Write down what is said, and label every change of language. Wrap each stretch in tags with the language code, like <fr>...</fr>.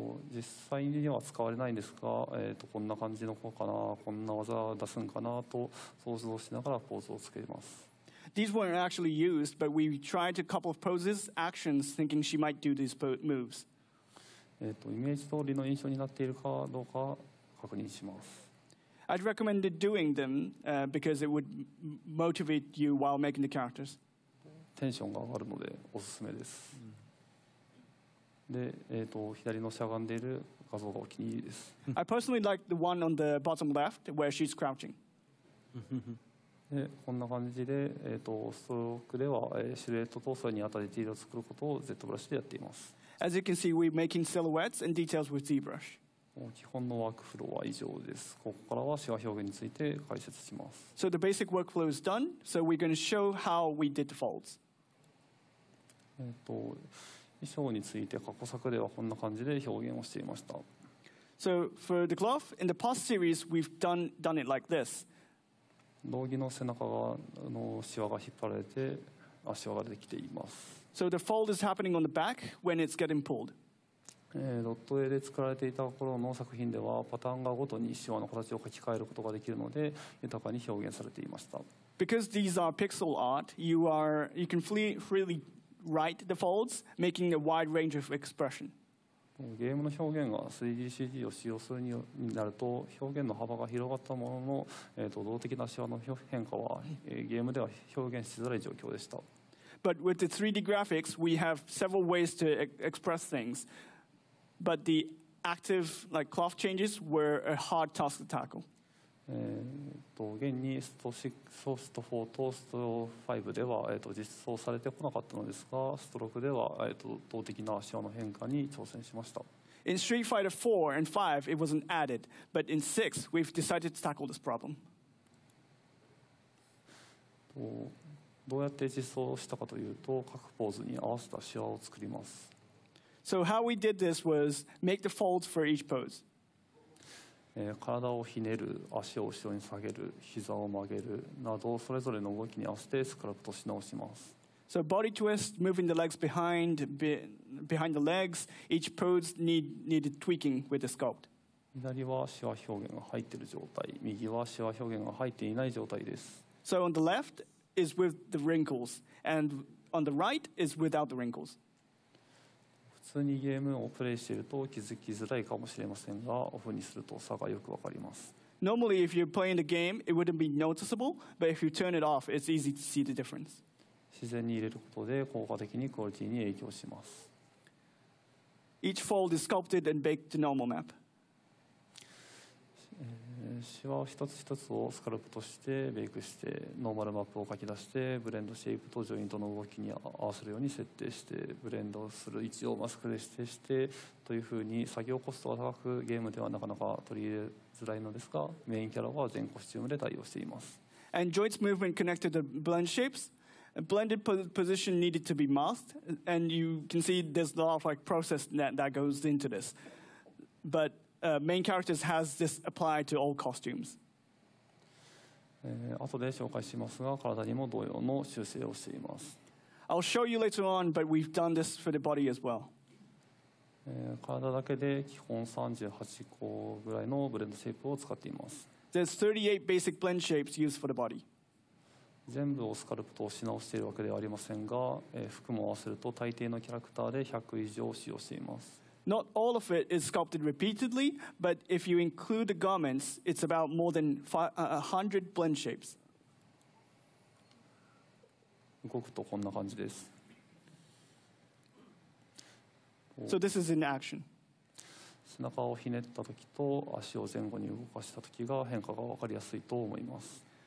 <ja>実際には使われないんですが、こんな感じの子かな、こんな技を出すんかなと想像しながらポーズをつけます。</ja> <en>These weren't actually used, but we tried a couple of poses, actions, thinking she might do these moves.</en> <ja>イメージ通りの印象になっているかどうか確確認します。</ja> <en>I'd recommend doing them, because it would motivate you while making the characters.</en> <ja>テンションが上がるのでおすすめです。で、左のしゃがんでいる画像がお気に入りです。</ja> <en>I personally like the one on the bottom left where she's crouching.</en> <ja>で、こんな感じで、ストロークでは、シルエットとそれに当たるディテールを作ることを ZBrush でやっています。</ja> <en>As you can see, we're making silhouettes and details with ZBrush.</en> <ja>基本のワークフローは以上です。ここからはシワ表現について解説します。</ja> <en>So the basic workflow is done. So we're going to show how we did the folds.</en> <ja>衣装について過去作ではこんな感じで表現をしていました。</ja> <en>So for the cloth, in the past series, we've done it like this.</en> <ja>道着の背中のシワが引っ張られて、シワが出てきています。</ja> <en>So the fold is happening on the back when it's getting pulled.</en> <ja>ドット絵で作られていた頃の作品ではパターンがごとにシワの形を書き換えることができるので豊かに表現されていました。</ja> <en>Because these are pixel art, you can freely write the folds, making a wide range of expression.</en> <ja>ゲームの表現が 3DCG を使用するになると表現の幅が広がったものの、動的なシワの変化は、ゲームでは表現しづらい状況でした。</ja> <en>But with the 3D graphics, we have several ways to express things. But the active like cloth changes were a hard task to tackle.</en> <ja>現にスト6、ソースト4とスト5では実装されてこなかったのですが、ストロークでは動的なシワの変化に挑戦しました。</ja> <en>In Street Fighter 4 and 5, it wasn't added, but in 6, we've decided to tackle this problem.</en> <ja>どうやって実装したかというと、各ポーズに合わせたシワを作ります。</ja> <en>So how we did this was make the folds for each pose.</en> <ja>体をひねる、足を後ろに下げる、膝を曲げるなどそれぞれの動きに合わせてスクラップとし直します。</ja> <en>So body twist, moving the legs behind the legs. Each pose needed tweaking with the sculpt.</en> <ja>左はシワ表現が入っている状態、右はシワ表現が入っていない状態です。</ja> <en>So on the left is with the wrinkles, and on the right is without the wrinkles.</en> <ja>普通にゲームをプレイしていると気づきづらいかもしれませんが、オフにすると差がよくわかります。</ja> <en>Normally, if you're playing the game, it wouldn't be noticeable, but if you turn it off, it's easy to see the difference.</en> <ja>自然に入れることで効果的にクオリティに影響します。</ja> <en>Each fold is sculpted and baked to normal map.</en> <ja>シワを一つ一つをスカルプとしてベイクして、ノーマルマップを書き出して、ブレンドシェイプとジョイントの動きに合わせるように設定して、ブレンドする位置をマスクで指定して、というふうに作業コストが高く、ゲームではなかなか取り入れづらいのですが、メインキャラは全コスチュームで対応しています。</ja> <en>And joints movement connected to blend shapes. Blended position needed to be masked. And you can see there's a lot of like process that goes into this. But,main characters has this applied to all costumes.</en> <ja>後で紹介しますが、体にも同様の修正をしています。</ja> <en>I'll show you later on, but we've done this for the body as well.</en> <ja>体だけで基本38個ぐらいのブレンドシェイプを使っています。</ja> <en>There's 38 basic blend shapes used for the body.</en> <ja>全部をスカルプトし直しているわけではありませんが、服も合わせると大抵のキャラクターで100以上使用しています。</ja> <en>Not all of it is sculpted repeatedly, but if you include the garments, it's about more than 100 blend shapes.</en> <ja>動くとこんな感じです。</ja> <en>So this is in action.</en> <ja>背中をひねった時と足を前後に動かした時が変化が分かりやすいと思います。</ja>